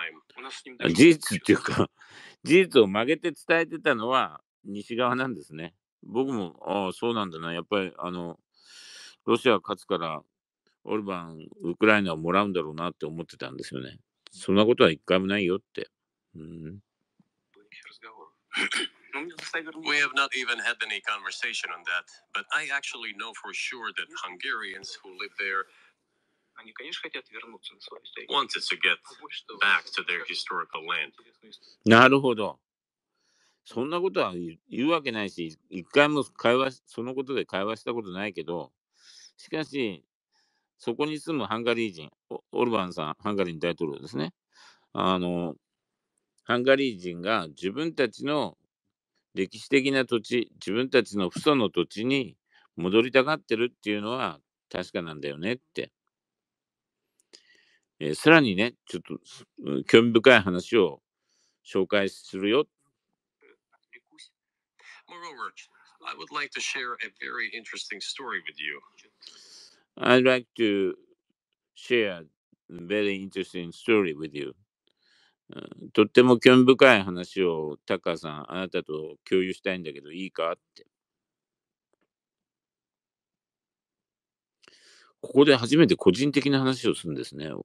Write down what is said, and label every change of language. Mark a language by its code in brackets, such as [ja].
[ja] 事実っていうか、事実を曲げて伝えてたのは西側なんですね。僕も、ああ、そうなんだな。やっぱり、あの、ロシアは勝つから、オルバン、ウクライナをもらうんだろうなって思ってたんですよね。そんなことは一回もないよって。 [en] We have not even had any conversation on that, but I actually know for sure that Hungarians who live there wanted to get back to their historical land. [ja] なるほど。そんなことは言うわけないし、一回も会話、そのことで会話したことないけど、しかし、そこに住むハンガリー人、オルバンさん、ハンガリー大統領ですね。あの、ハンガリー人が自分たちの歴史的な土地、自分たちの父祖の土地に戻りたがってるっていうのは確かなんだよねって。さらにね、ちょっと興味深い話を紹介するよ。 [en] Moreover, I would like to share a very interesting story with you. I'd like to share a very interesting story with you. [ja] とっても興味深い話をタカさん、あなたと共有したいんだけど、いいかって。ここで初めて個人的な話をするんですね。